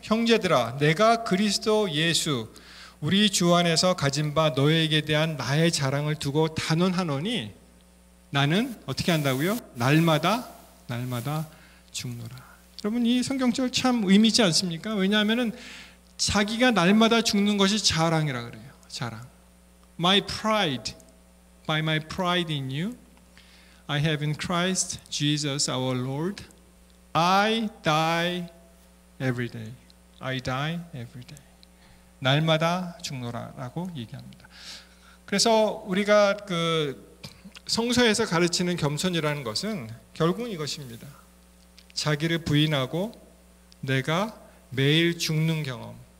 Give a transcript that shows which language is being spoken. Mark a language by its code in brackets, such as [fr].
[ko] 형제들아, 내가 그리스도 예수 우리 주 안에서 가진 바 너에게 대한 나의 자랑을 두고 단언하노니 나는 어떻게 한다고요? 날마다 죽노라. 여러분, 이 성경절 참 의미 있지 않습니까? 왜냐하면 자기가 날마다 죽는 것이 자랑이라 그래요. 자랑. [en] My pride, by my pride in you, I have in Christ Jesus our Lord, I die every day. I die every day. [ko] 날마다 죽노라라고 얘기합니다. 그래서 우리가 그 성서에서 가르치는 겸손이라는 것은 결국 이것입니다. 자기를 부인하고 내가 매일 죽는 경험.